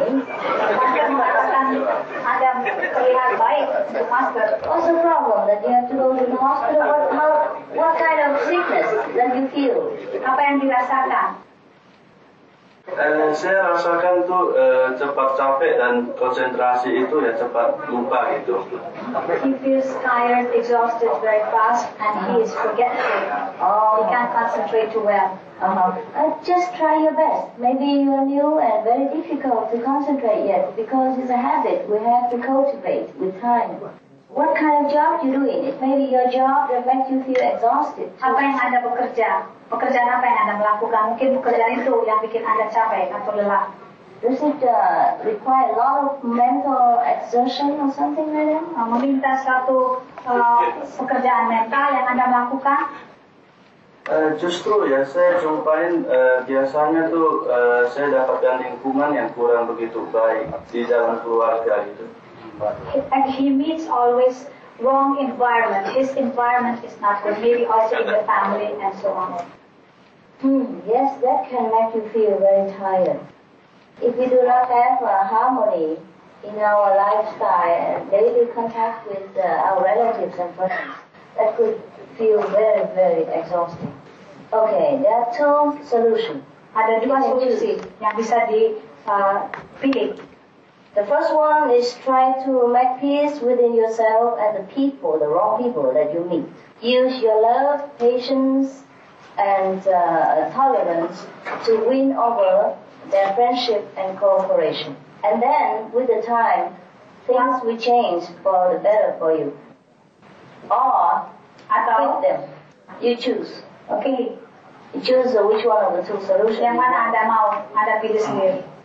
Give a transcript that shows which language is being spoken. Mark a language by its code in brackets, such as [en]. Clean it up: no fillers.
[id] Anda merasakan, Anda terlihat baik untuk master. [en] What's the problem that you have to go to the hospital? What kind of sickness that you feel? [id] Apa yang dirasakan? Saya rasakan tuh cepat capek dan konsentrasi itu ya cepat lupa gitu. [en] He feels tired, exhausted very fast, and he is forgetful. Oh, he can't concentrate too well. Just try your best. Maybe you're new and very difficult to concentrate yet because it's a habit we have to cultivate with time. What kind of job you doing? It may be your job that makes you feel exhausted. [id] Apa yang Anda bekerja? Pekerjaan apa yang Anda melakukan? Mungkin pekerjaan itu yang bikin Anda capek atau lelah. [en] Does it require a lot of mental exertion or something like that? [id] Meminta satu pekerjaan mental yang Anda melakukan? Justru ya, saya jumpain biasanya tuh saya dapatkan lingkungan yang kurang begitu baik di dalam keluarga gitu. [en] And he meets always wrong environment. His environment is not good. Maybe also in the family and so on. Yes, that can make you feel very tired. If we do not have a harmony in our lifestyle and daily contact with our relatives and friends, that could feel very, very exhausting. Okay, there are two solutions. [id] Ada dua solusi yang bisa dipilih. [en] The first one is try to make peace within yourself and the people, the wrong people that you meet. Use your love, patience, and tolerance to win over their friendship and cooperation. And then, with the time, things will change for the better for you. Or, quit them. You choose. Okay. You choose which one of the two solutions. [id] Yang mana Anda mau, Anda pilih sendiri.